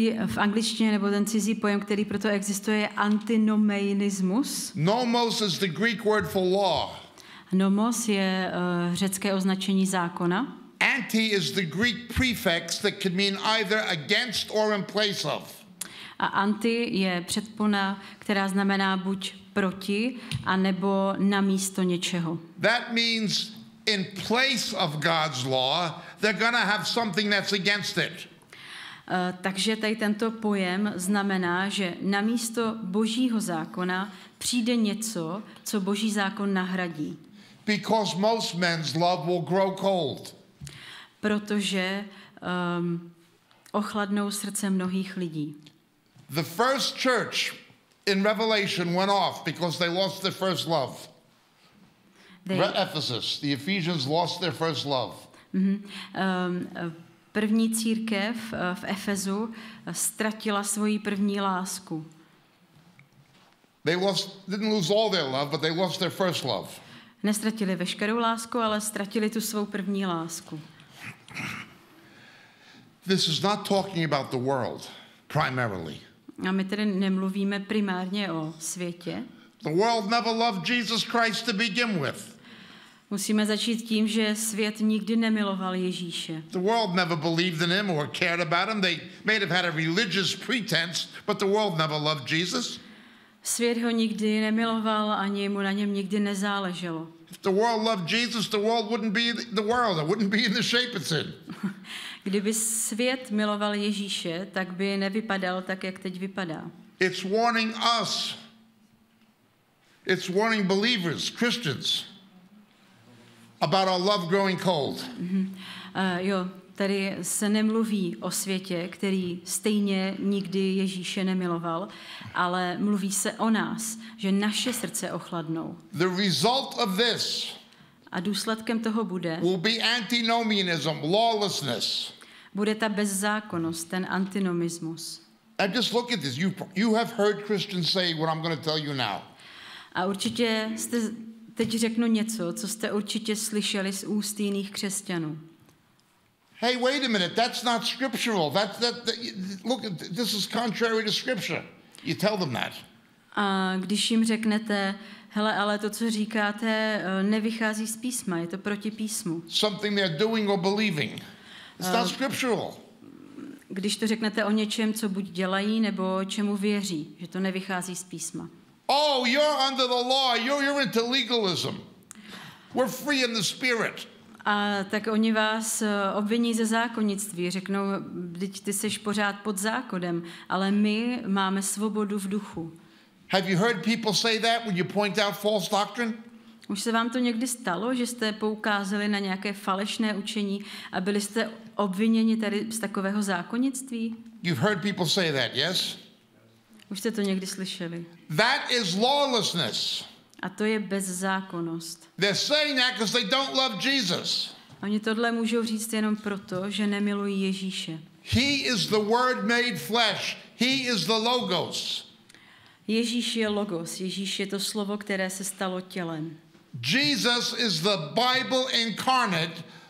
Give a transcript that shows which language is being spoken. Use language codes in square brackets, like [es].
[cs] V angličtině nebo ten cizí pojem, který proto existuje, je antinomianismus. [en] Nomos is the Greek word for law. [cs] Nomos je řecké označení zákona. [en] Anti is the Greek prefix that can mean either against or in place of. [cs] A anti je předpona, která znamená buď proti, a nebo na místo něčeho. [en] That means in place of God's law, they're gonna have something that's against it. [cs] Takže tady tento pojem znamená, že namísto Božího zákona přijde něco, co Boží zákon nahradí. [en] Because most men's love will grow cold. [cs] protože ochladnou srdce mnohých lidí. [en] The first church in Revelation went off because they lost their first love. Ephesus, the Ephesians lost their first love. [cs] První církev v Efezu ztratila svoji první lásku. [en] They lost, didn't lose all their love, but they lost their first love. [cs] Nestratili veškerou lásku, ale ztratili tu svou první lásku. [en] This is not talking about the world, primarily. [cs] A my tedy nemluvíme primárně o světě. [en] The world never loved Jesus Christ to begin with. [cs] Musíme začít tím, že svět nikdy nemiloval Ježíše. [en] The world never believed in him or cared about him. They may have had a religious pretense, but the world never loved Jesus. [cs] Svět ho nikdy nemiloval, ani mu na něm nikdy nezáleželo. [en] If the world loved Jesus, the world wouldn't be the world. It wouldn't be in the shape it's in. [cs] Kdyby svět miloval Ježíše, tak by nevypadal tak, jak teď vypadá. [en] It's warning us. It's warning believers, Christians, about our love growing cold. [cs] Jo, tady se nemluví o světě, který stejně nikdy Ježíše nemiloval, ale mluví se o nás, že naše srdce ochladnou. [en] The result of this. [cs] A důsledkem toho bude. [en] Will be antinomianism, lawlessness. [cs] Bude ta bezzákonnost, ten antinomismus. [en] And just look at this. You have heard Christians say what I'm going to tell you now. [cs] A určitě jste teď řeknu něco, co jste určitě slyšeli z úst jiných křesťanů. [en] Hey, wait a minute. That's not scriptural. Look, this is contrary to scripture. You tell them that. [cs] A když jim řeknete, hele, ale to, co říkáte, nevychází z písma, je to proti písmu. [en] Something they're doing or believing. It's not scriptural. [cs] Když to řeknete o něčem, co buď dělají, nebo čemu věří, že to nevychází z písma. [en] Oh, you're under the law. You're into legalism. We're free in the spirit. [cs] A tak oni vás obviní ze zákonnictví. Řeknou, vždyť ty seš pořád pod zákonem, ale my máme svobodu v duchu. [en] Have you heard people say that when you point out false doctrine? [cs] Už se vám to někdy stalo, že jste poukázali na nějaké falešné učení a byli jste obviněni tady z takového zákonnictví? [en] You've heard people say that, yes? [cs] Už jste to někdy slyšeli. [en] That is lawlessness. [cs] A to je bezzákonnost. [en] They're saying that because they don't love Jesus. [cs] Oni tohle můžou říct jenom proto, že nemilují Ježíše. [en] He is the word made flesh. He is the logos. [cs] Ježíš je logos. Ježíš je to slovo, které se stalo tělem. [en] Jesus is the Bible incarnate.